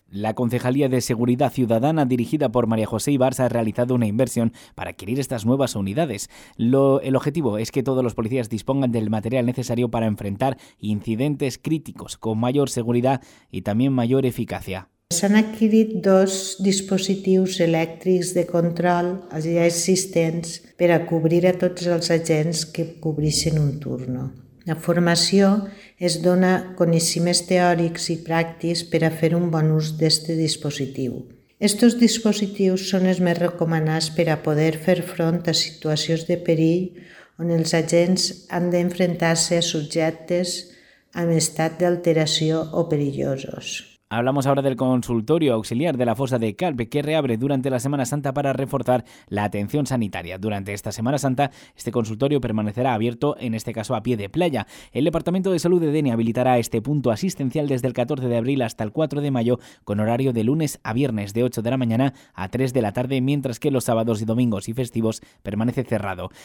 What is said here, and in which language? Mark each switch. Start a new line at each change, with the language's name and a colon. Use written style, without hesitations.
Spanish: La Concejalía de Seguridad Ciudadana, dirigida por María José Ibarz, ha realizado una inversión para adquirir estas nuevas unidades. El objetivo es que todos los policías dispongan del material necesario para enfrentar incidentes críticos con mayor seguridad y también mayor eficacia.
Catalan: S'han adquirit 2 dispositius elèctrics de control ja existents per a cobrir a tots els agents que cobrissin un turno. La formació es dona coneixements teòrics i pràctics per a fer un bon ús d'aquest dispositiu. Estos dispositius són els més recomanats per a poder fer front a situacions de perill on els agents han d'enfrentar-se a subjectes en estat d'alteració o perillosos.
Spanish: Hablamos ahora del consultorio auxiliar de la Fosa de Calpe, que reabre durante la Semana Santa para reforzar la atención sanitaria. Durante esta Semana Santa, este consultorio permanecerá abierto, en este caso a pie de playa. El Departamento de Salud de Denia habilitará este punto asistencial desde el 14 de abril hasta el 4 de mayo, con horario de lunes a viernes de 8 de la mañana a 3 de la tarde, mientras que los sábados y domingos y festivos permanece cerrado.